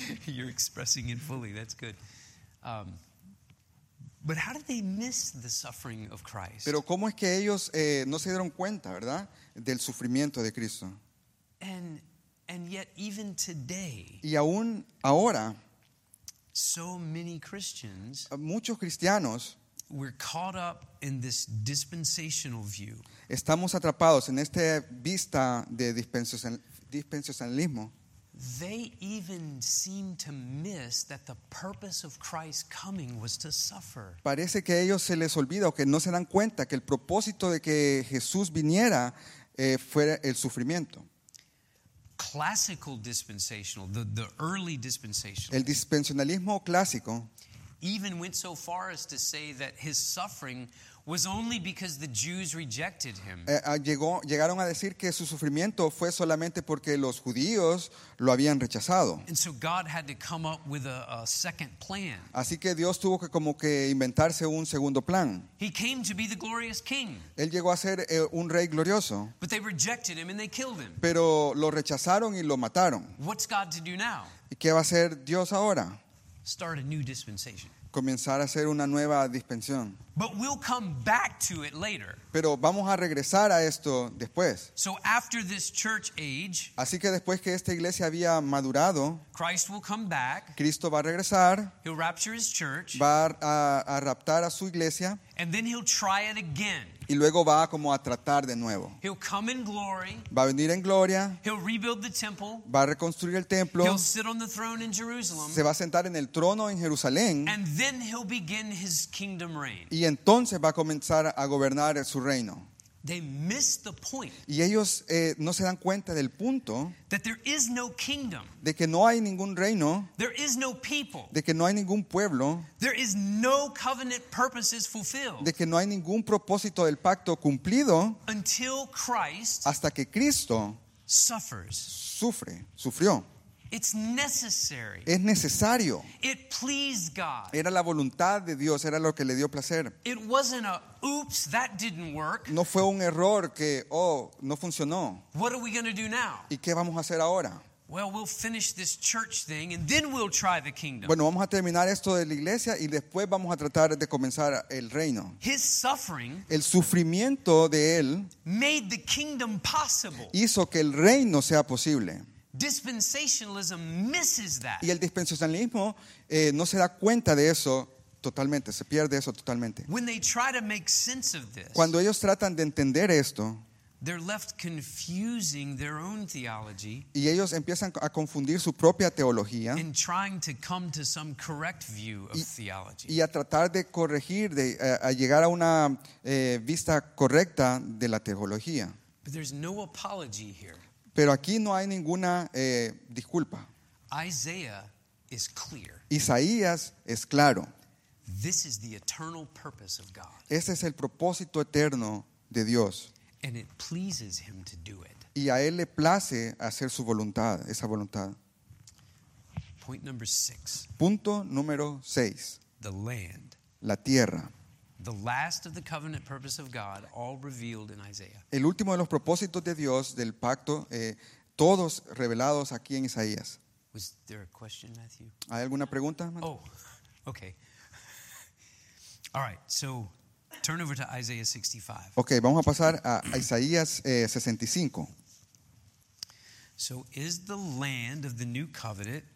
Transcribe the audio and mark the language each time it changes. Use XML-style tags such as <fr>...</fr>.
<en>You're expressing it fully. That's good. But how did they miss the suffering of Christ?</en> <es>Pero ¿cómo es que ellos no se dieron cuenta, verdad, del sufrimiento de Cristo?</es> <en>And yet even today.</en> <es>Y aún ahora.</es> <en>So many Christians,</en> <es>muchos cristianos,</es> <en>we're caught up in this dispensational view.</en> <es>Estamos atrapados en esta vista de dispensacionalismo.</es> <en>They even seem to miss that the purpose of Christ's coming was to suffer.</en> <es>Parece que a ellos se les olvida o que no se dan cuenta que el propósito de que Jesús viniera fuera el sufrimiento.</es> <en>Classical dispensational, the early dispensational.</en> <es>El dispensacionalismo clásico.</es> <en>Even went so far as to say that his suffering was only because the Jews rejected him.</en> <es>Llegaron a decir que su sufrimiento fue solamente porque los judíos lo habían rechazado.</es> <en>And so God had to come up with a second plan.</en> <es>Así que Dios tuvo que como que inventarse un segundo plan.</es> <en>He came to be the glorious king.</en> <es>Él llegó a ser un rey glorioso.</es> <en>But they rejected him and they killed him.</en> <es>Pero lo rechazaron y lo mataron.</es> <en>What's God to do now?</en> <es>¿Y qué va a hacer Dios ahora?</es> <en>Start a new dispensation.</en> <es>Comenzar a hacer una nueva dispensación.</es> <en>But we'll come back to it later.</en> <es>Pero vamos a regresar a esto después.</es> <en>So after this church age,</en> <es>así que después que esta iglesia había madurado,</es> <en>Christ will come back.</en> <es>Cristo va a regresar.</es> <en>He'll rapture his church.</en> <es>Va a raptar a su iglesia.</es> <en>And then he'll try it again.</en> <es>Y luego va como a tratar de nuevo.</es> <en>He'll come in glory.</en> <es>Va a venir en gloria.</es> <en>He'll rebuild the temple.</en> <es>Va a reconstruir el templo.</es> <en>He'll sit on the throne in Jerusalem.</en> <es>Se va a sentar en el trono en Jerusalén.</es> <en>And then he'll begin his kingdom reign.</en> <es>Y entonces va a comenzar a gobernar su reino.</es> <en>They miss the point.</en> <es>Y ellos no se dan cuenta del punto.</es> <en>That there is no kingdom.</en> <es>De que no hay ningún reino.</es> <en>There is no people.</en> <es>De que no hay ningún pueblo.</es> <en>There is no covenant purposes fulfilled.</en> <es>De que no hay ningún propósito del pacto cumplido.</es> <en>Until Christ.</en> <es>Hasta que Cristo.</es> <en>Suffers.</en> <es>Sufre. Sufrió.</es> <en>It's necessary.</en> <es>Es necesario.</es> <en>It pleased God.</en> <es>Era la voluntad de Dios, era lo que le dio placer.</es> <en>It wasn't a oops, that didn't work.</en> <es>No fue un error que oh, no funcionó.</es> <en>What are we going to do now?</en> <es>¿Y qué vamos a hacer ahora?</es> <en>Well, we'll finish this church thing and then we'll try the kingdom.</en> <es>Bueno, vamos a terminar esto de la iglesia y después vamos a tratar de comenzar el reino.</es> <en>His suffering,</en> <es>el sufrimiento de él,</es> <en>made the kingdom possible.</en> <es>Hizo que el reino sea posible.</es> <en>Dispensationalism misses that.</en> <es>Y el dispensacionalismo no se da cuenta de eso totalmente, se pierde eso totalmente.</es> <en>When they try to make sense of this,</en> <es>cuando ellos tratan de entender esto,</es> <en>They're left confusing their own theology.</en> <es>Y ellos empiezan a confundir su propia teología.</es> <en>In trying to come to some correct view of theology.</en> <es>Y a tratar de corregir, de a llegar a una vista correcta de la teología.</es> <en>But there's no apology here.</en> <es>Pero aquí no hay ninguna disculpa.</es> <en>Isaiah is clear.</en> <es>Isaías es claro.</es> <en>This is the eternal purpose of God.</en> <es>Ese es el propósito eterno de Dios.</es> <en>And it pleases him to do it.</en> <es>Y a él le place hacer su voluntad, esa voluntad.</es> <en>Point number six.</en> <es>Punto número seis.</es> <en>The land.</en> <es>La tierra.</es> <en>The last of the covenant purpose of God, all revealed in Isaiah.</en> <es>El último de los propósitos de Dios del pacto, todos revelados aquí en Isaías.</es> <en>Was there a question, Matthew?</en> <es>¿Hay alguna pregunta,</es> <en>Matthew? Oh, okay. All right, so turn over to Isaiah 65.</en> <es>Okay, vamos a pasar a Isaías 65.</es> <en>So is the land of the new covenant?</en>